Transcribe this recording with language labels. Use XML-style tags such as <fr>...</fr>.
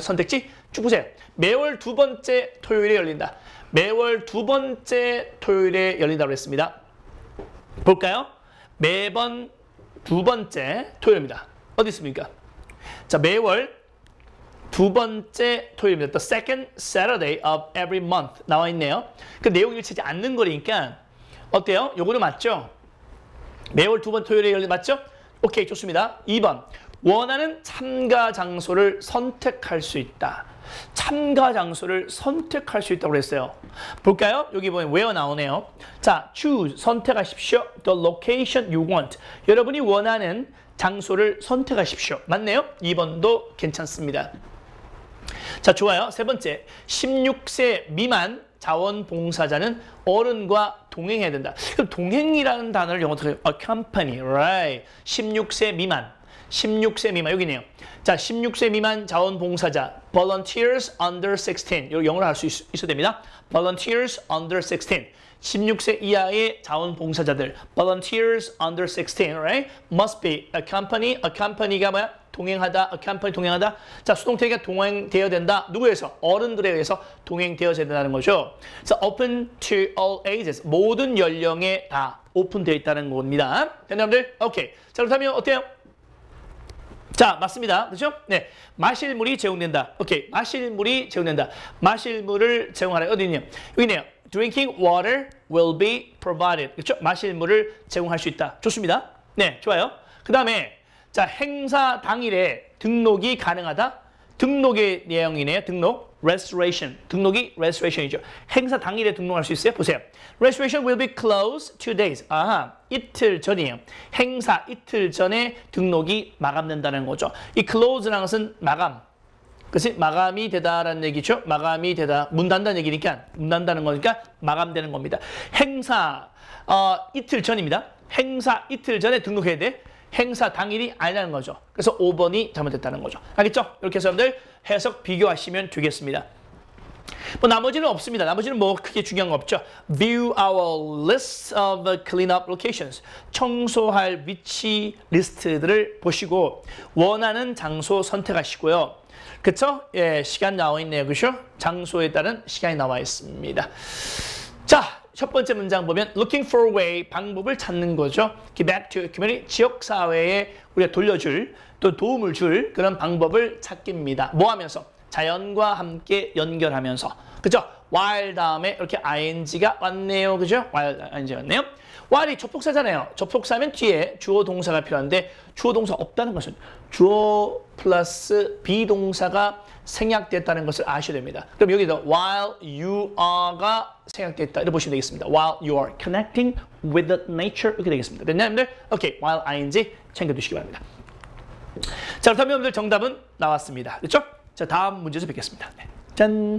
<ko>선택지 쭉 보세요. 매월 두 번째 토요일에 열린다. 매월 두 번째 토요일에 열린다고 했습니다. 볼까요? 매번 두 번째 토요일입니다. 어디 있습니까? 자, 매월 두 번째 토요일입니다.</ko> <en>The second Saturday of every month</en> <ko>나와 있네요. 그 내용이 일치하지 않는 거니까 어때요? 요거는 맞죠? 매월 두 번 토요일에 열린 맞죠? 오케이, 좋습니다. 2번, 원하는 참가 장소를 선택할 수 있다. 참가 장소를 선택할 수 있다고 했어요. 볼까요? 여기 보면 where 나오네요. 자, choose, 선택하십시오.</ko> <en>The location you want.</en> <ko>여러분이 원하는 장소를 선택하십시오. 맞네요? 2번도 괜찮습니다. 자, 좋아요. 세 번째, 16세 미만 자원봉사자는 어른과 동행해야 된다. 그럼 동행이라는 단어를 영어로 accompany, right. 16세 미만. 16세 미만, 여기네요. 자, 16세 미만 자원봉사자,</ko> <en>volunteers under 16,</en> <ko>영어로 할 수 있어야 됩니다.</ko> <en>volunteers under 16,</en> <ko>16세 이하의 자원봉사자들,</ko> <en>volunteers under 16, right? must be accompany, accompany가</en> <ko>뭐야? 동행하다, accompany 동행하다. 자, 수동태가 동행되어야 된다. 누구에서? 어른들에 의해서 동행되어져야 된다는 거죠.</ko> <en>So open to all ages,</en> <ko>모든 연령에 다 오픈되어 있다는 겁니다. 여러분들, 오케이. 자, 그렇다면 어때요? 자, 맞습니다. 그렇죠? 네. 마실 물이 제공된다. 오케이. 마실 물이 제공된다. 마실 물을 제공하라. 어디 있냐? 여기네요.</ko> <en>Drinking water will be provided.</en> <ko>그렇죠? 마실 물을 제공할 수 있다. 좋습니다. 네. 좋아요. 그 다음에, 자, 행사 당일에 등록이 가능하다. 등록의 내용이네요. 등록. Registration. 등록이 registration이죠. 행사 당일에 등록할 수 있어요. 보세요.</ko> <en>Registration will be closed 2 days.</en> <ko>아하. 이틀 전이에요. 행사 이틀 전에 등록이 마감된다는 거죠. 이 close라는 것은 마감. 그치? 마감이 되다라는 얘기죠. 마감이 되다. 문 닫는다는 얘기니까. 문 닫는다는 거니까 마감되는 겁니다. 행사 이틀 전입니다. 행사 이틀 전에 등록해야 돼. 행사 당일이 아니라는 거죠. 그래서 5번이 잘못됐다는 거죠. 알겠죠? 이렇게 해서 여러분들 해석 비교하시면 되겠습니다. 뭐 나머지는 없습니다. 나머지는 뭐 크게 중요한 거 없죠.</ko> <en>View our list of cleanup locations.</en> <ko>청소할 위치 리스트들을 보시고 원하는 장소 선택하시고요. 그렇죠? 예, 시간 나와 있네요. 그렇죠? 장소에 따른 시간이 나와 있습니다. 자, 첫 번째 문장 보면</ko> <en>looking for a way,</en> <ko>방법을 찾는 거죠.</ko> <en>Give back to community,</en> <ko>지역사회에 우리가 돌려줄, 또 도움을 줄 그런 방법을 찾기입니다. 뭐 하면서? 자연과 함께 연결하면서. 그죠? while 다음에 이렇게 ing가 왔네요. 그죠? while ing 왔네요. while이 접속사잖아요. 접속사면 뒤에 주어 동사가 필요한데 주어 동사 없다는 것은 주어 플러스 be 동사가 생략됐다는 것을 아셔야 됩니다. 그럼 여기서</ko> <en>while you are</en> <ko>가 생략됐다. 이렇게 보시면 되겠습니다.</ko> <en>while you are connecting with the nature.</en> <ko>이렇게 되겠습니다. 됐나요, 여러분들? 오케이. while ing 챙겨두시기 바랍니다. 자, 그렇다면 여러분들 정답은 나왔습니다. 그렇죠? 자, 다음 문제에서 뵙겠습니다. 네. 짠!</ko>